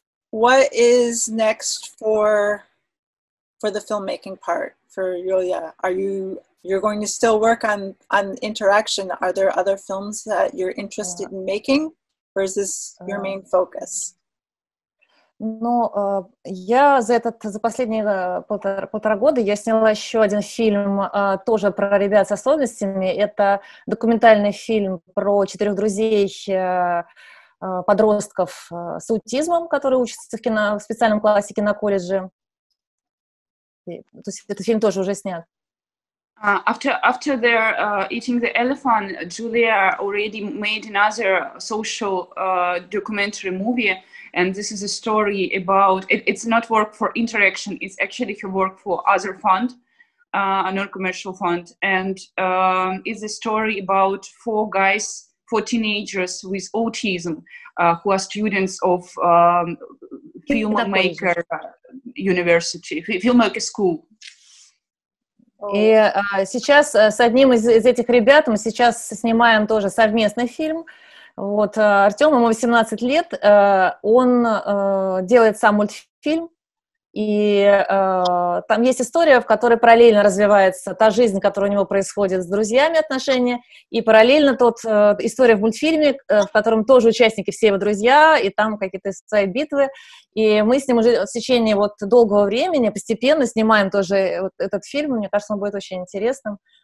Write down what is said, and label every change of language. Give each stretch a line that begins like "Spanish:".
English: What is next for the filmmaking part for Julia? You're going to still work on Interaction. Are there other films that you're interested in making, or is this your main focus?
Russian: Ну, я за последние полтора года я сняла еще один фильм тоже про ребят с особенностями. Это документальный фильм про четырех друзей подростков с аутизмом, которые учатся в специальном классе киноколледже. То есть этот фильм тоже уже снят.
English: After they're eating the elephant, Julia already made another social documentary movie, and this is a story about, it's not work for Interaction, it's actually her work for other fund, a non-commercial fund, and it's a story about four guys for teenagers with autism, who are students of Filmmaker University, Filmmaker School.
Russian: И сейчас с одним из этих ребят мы сейчас снимаем тоже совместный фильм. Вот, Артём, ему 18 лет, он делает сам мультфильм, и там есть история, в которой параллельно развивается та жизнь, которая у него происходит с друзьями отношения, и параллельно тот история в мультфильме, в котором тоже участники все его друзья, и там какие-то свои битвы, и мы с ним уже в течение вот долгого времени постепенно снимаем тоже вот этот фильм, мне кажется, он будет очень интересным.